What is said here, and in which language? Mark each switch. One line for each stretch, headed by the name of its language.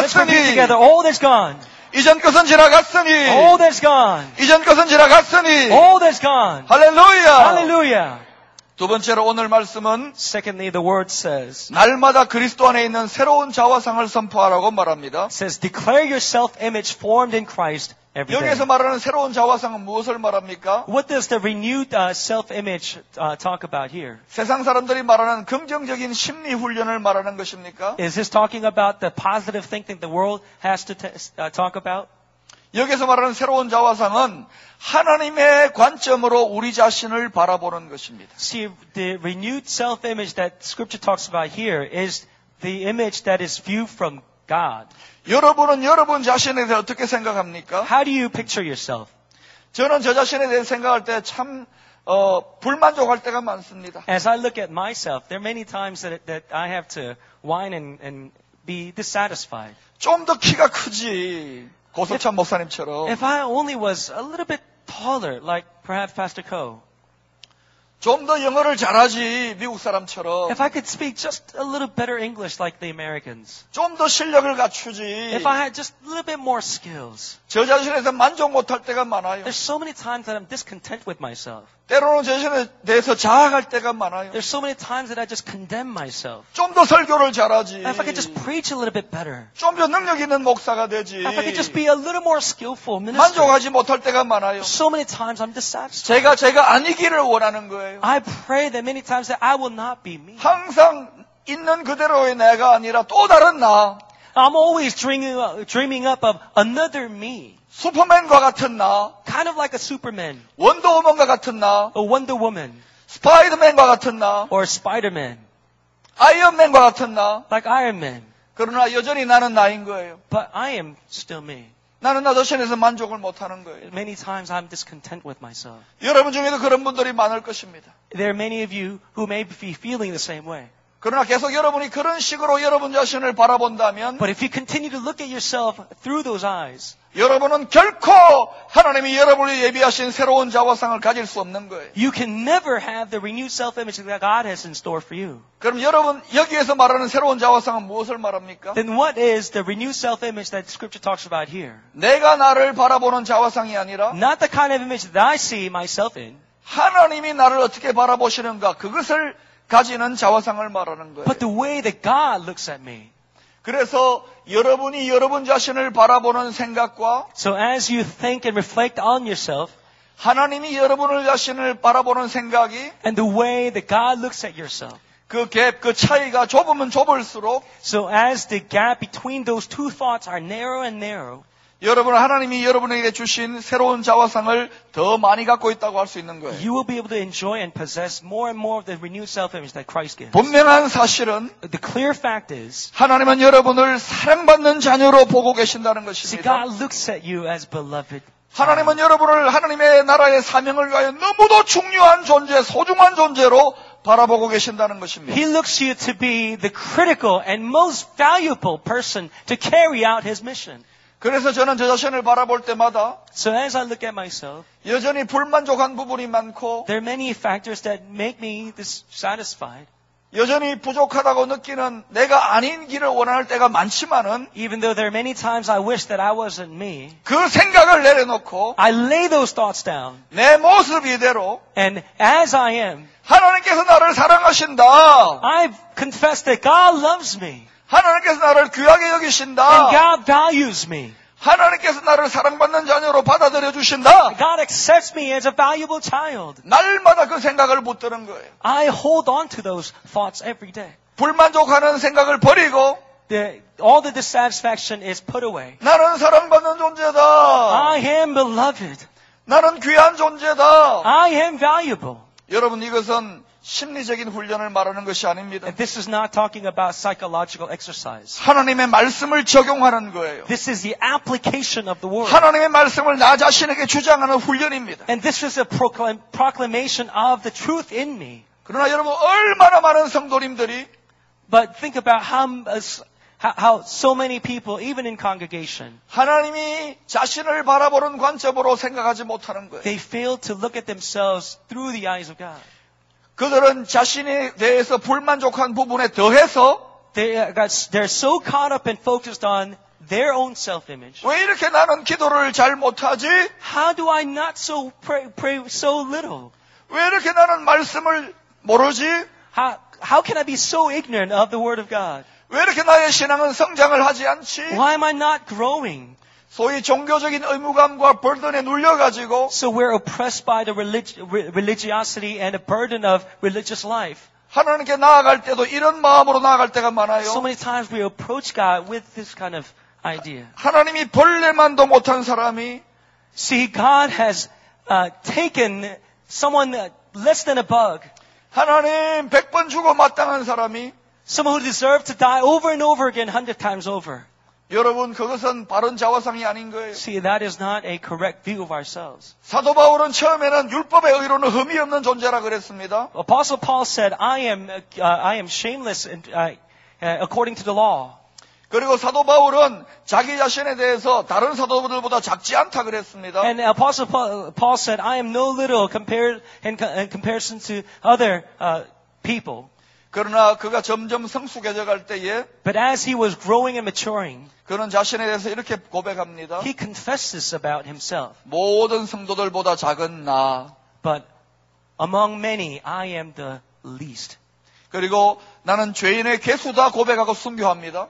English: Let's repeat together. Old is gone.
Korean: 이전 것은 지나갔으니
English: Old is gone.
Korean: 이전 것은 지나갔으니
English: Old is gone.
Korean: 할렐루야.
English: Hallelujah.
Korean: 두 번째로 오늘 말씀은
English: Secondly, the word says,
Korean: 날마다 그리스도 안에 있는 새로운 자화상을 선포하라고 말합니다.
English: Says, declare your self-image formed in Christ every day.
Korean: 여기에서 말하는 새로운 자화상은 무엇을 말합니까?
English: What does the renewed self-image talk about here?
Korean: 세상 사람들이 말하는 긍정적인 심리 훈련을 말하는 것입니까?
English: Is this talking about the positive thinking the world has to talk about?
Korean: 여기서 말하는 새로운 자화상은 하나님의 관점으로 우리 자신을 바라보는 것입니다.
English: See, the renewed self-image that Scripture talks about here is the image that is viewed from God.
Korean: 여러분은 여러분 자신에 대해 어떻게 생각합니까?
English: How do you picture yourself?
Korean: 저는 저 자신에 대해 생각할 때 참 불만족할 때가 많습니다.
English: As I look at myself, there are many times that I have to whine and be dissatisfied.
Korean: 좀 더 키가 크지. 고석찬 목사님처럼
English: If I only was a little bit taller like perhaps Pastor Ko
Korean: 좀 더 영어를 잘하지 미국 사람처럼
English: If I could speak just a little better English like the Americans
Korean: 좀 더 실력을 갖추지
English: If I had just a little bit more skills
Korean: 저 자신에서 만족 못할 때가 많아요
English: There's so many times that I'm discontent with myself
Korean: 때로는 자신에 대해서 자학할 때가 많아요
English: There's so many times that I just condemn myself
Korean: 좀 더 설교를 잘하지
English: If I could just preach a little bit better
Korean: 좀 더 능력 있는 목사가 되지
English: If I could just be a little more skillful minister
Korean: 만족하지 못할 때가 많아요
English: So many times I'm dissatisfied
Korean: 제가 아니기를 원하는 거예요
English: I pray that many times that I will not be me
Korean: 항상 있는 그대로의 내가 아니라 또 다른 나
English: I'm always dreaming up of another me
Korean: 슈퍼맨과 같은 나
English: kind of like a superman
Korean: 원더우먼과 같은 나
English: a wonder woman
Korean: 스파이더맨과 같은 나
English: or spiderman
Korean: 아이언맨과 같은 나
English: like iron man
Korean: 그러나 여전히 나는 나인 거예요
English: but I am still me
Korean: 나는 나 자신에서 만족을 못 하는 거예요
English: many times I'm discontent with myself
Korean: 여러분 중에도 그런 분들이 많을 것입니다
English: there are many of you who may be feeling the same way
Korean: 그러나 계속 여러분이 그런 식으로 여러분 자신을 바라본다면
English: But if you continue to look at yourself through those eyes
Korean: 여러분은 결코 하나님이 여러분을 예비하신 새로운 자화상을 가질 수 없는 거예요.
English: You can never have the renewed self-image that God has in store for you.
Korean: 그럼 여러분 여기에서 말하는 새로운 자화상은 무엇을 말합니까?
English: Then what is the renewed self-image that Scripture talks about here?
Korean: 내가 나를 바라보는 자화상이 아니라
English: Not the kind of image that I see myself in.
Korean: 하나님이 나를 어떻게 바라보시는가 그것을 가지는 자화상을 말하는 거예요.
English: But the way that God looks at me.
Korean: 그래서 여러분이 여러분 자신을 바라보는 생각과
English: So as you think and reflect on yourself
Korean: 하나님이 여러분을 자신을 바라보는 생각이
English: And the way that God looks at yourself
Korean: 그 갭, 그 차이가 좁으면 좁을수록
English: So as the gap between those two thoughts are narrow and narrow
Korean: 여러분 하나님이 여러분에게 주신 새로운 자화상을 더 많이 갖고 있다고 할 수 있는 거예요.
English: You will be able to enjoy and possess more and more of the renewed self-image that Christ gives.
Korean: 분명한 사실은
English: The clear fact is
Korean: 하나님은 여러분을 사랑받는 자녀로 보고 계신다는 것입니다.
English: See, God looks at you as beloved.
Korean: 하나님은 여러분을 하나님의 나라의 사명을 위하여 너무도 중요한 존재, 소중한 존재로 바라보고 계신다는 것입니다.
English: He looks you to be the critical and most valuable person to carry out his mission.
Korean: 그래서 저는 저 자신을 바라볼 때마다
English: So as I look at myself,
Korean: 여전히 불만족한 부분이 많고
English: There are many factors that make me dissatisfied.
Korean: 여전히 부족하다고 느끼는 내가 아닌 길을 원할 때가 많지만은
English: even though there are many times I wish that I wasn't me
Korean: 그 생각을 내려놓고
English: I lay those thoughts down
Korean: 내 모습 이대로
English: and as I am
Korean: 하나님께서 나를 사랑하신다
English: I've confessed that God loves me
Korean: 하나님께서 나를 귀하게 여기신다
English: and God values me
Korean: 하나님께서 나를 사랑받는 자녀로 받아들여 주신다.
English: God accepts me as a valuable child.
Korean: 날마다 그 생각을 붙드는 거예요.
English: I hold on to those thoughts every day.
Korean: 불만족하는 생각을 버리고
English: all the dissatisfaction is put away.
Korean: 나는 사랑받는 존재다.
English: I am beloved.
Korean: 나는 귀한 존재다.
English: I am valuable.
Korean: 여러분 이것은 심리적인 훈련을 말하는 것이 아닙니다.
English: And this is not talking about psychological exercise.
Korean: 하나님의 말씀을 적용하는 거예요.
English: This is the application of the word.
Korean: 하나님의 말씀을 나 자신에게 주장하는 훈련입니다.
English: And this is a proclamation of the truth in me.
Korean: 그러나 여러분 얼마나 많은 성도님들이
English: But think about how so many people even in congregation
Korean: 하나님이 자신을 바라보는 관점으로 생각하지 못하는 거예요.
English: They fail to look at themselves through the eyes of God.
Korean: 그들은 자신에 대해서 불만족한 부분에 더해서
English: they're so caught up and focused on their own self-image.
Korean: 왜 이렇게 나는 기도를 잘 못하지?
English: How do I not so pray so little?
Korean: 왜 이렇게 나는 말씀을 모르지?
English: How can I be so ignorant of the word of God?
Korean: 왜 이렇게 나의 신앙은 성장을 하지 않지?
English: Why am I not growing?
Korean: 소위 종교적인 의무감과 버든에 눌려 가지고
English: So we're oppressed by the religiosity and a burden of religious life.
Korean: 하나님께 나아갈 때도 이런 마음으로 나아갈 때가 많아요.
English: So many times we approach God with this kind of idea.
Korean: 하나님이 벌레만도 못한 사람이
English: See God has taken someone less than a bug.
Korean: 하나님 100번 죽어 마땅한 사람이
English: Someone who deserved to die over and over again 100 times over.
Korean: 여러분 그것은 바른 자화상이 아닌 거예요.
English: See, that is not a correct view of ourselves.
Korean: 사도 바울은 처음에는 율법의 의로는 흠이 없는 존재라 그랬습니다.
English: Apostle Paul said, I am shameless according to the law.
Korean: 그리고 사도 바울은 자기 자신에 대해서 다른 사도들보다 작지 않다 그랬습니다.
English: And Apostle Paul said, I am no little in comparison to other people.
Korean: 그러나 그가 점점 성숙해져 갈 때에
English: But as he was growing and maturing
Korean: 그는 자신에 대해서 이렇게 고백합니다.
English: He confesses about himself.
Korean: 모든 성도들보다 작은 나
English: But among many I am the least.
Korean: 그리고 나는 죄인의 개수다 고백하고 순교합니다.